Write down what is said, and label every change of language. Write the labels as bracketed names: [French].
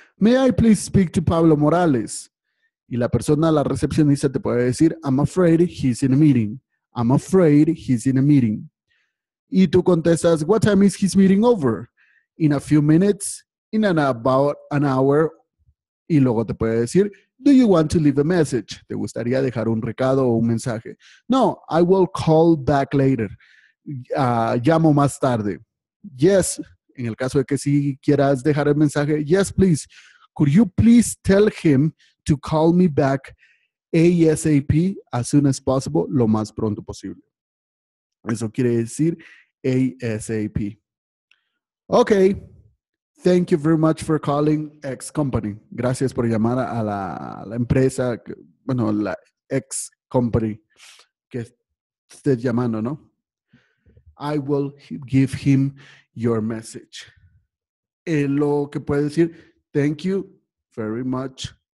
[English] May I please speak to Pablo Morales? [Spanish] Y la persona, la recepcionista, te puede decir, [English] I'm afraid he's in a meeting. I'm afraid he's in a meeting. [Spanish] Y tú contestas, [English] what time is his meeting over? In a few minutes, in about an hour. [Spanish] Y luego te puede decir, [English] do you want to leave a message? [Spanish] ¿Te gustaría dejar un recado o un mensaje? [English] No, I will call back later. [Spanish] Llamo más tarde. Yes, en el caso de que sí quieras dejar el mensaje, [English] yes, please. Could you please tell him to call me back ASAP as soon as possible, [Spanish] lo más pronto posible. Eso quiere decir ASAP. Okay, [English] Thank you very much for calling X Company. [Spanish] Gracias por llamar a la empresa, bueno, la X Company que usted llamando, ¿no? [English] I will give him your message. [Spanish] Lo que puede decir, [English] thank you very much.